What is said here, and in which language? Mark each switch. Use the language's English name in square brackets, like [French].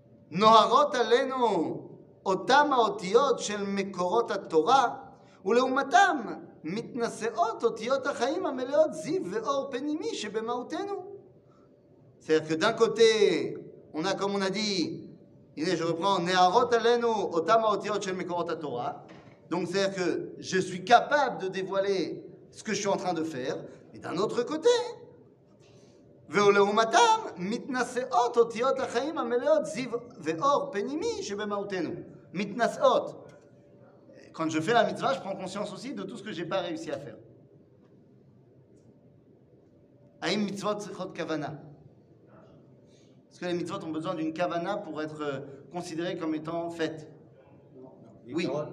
[Hebrew] נוהרות עלינו אותם האותיות של מקורות התורה, ולעומתם מתנשאות אותיות החיים המלאות זיו ואור פנימי שבמהותנו. [French] C'est-à-dire que d'un côté, on a, comme on a dit, je reprends, [Hebrew] נהרות עלינו אותם האותיות של מקורות התורה. [French] Donc c'est-à-dire que je suis capable de dévoiler ce que je suis en train de faire. Et d'un autre côté, [Hebrew] ולעומתם מתנשאות אותיות החיים המלאות זיו ואור פנימי שבמהותנו. מתנשאות. [French] Quand je fais la mitzvah, je prends conscience aussi de tout ce que j'ai pas réussi à faire. [Hebrew] Aïm mitzvot tzichot kavana. [French] Est-ce que les mitzvot ont besoin d'une kavana pour être considérées comme étant faites? Oui.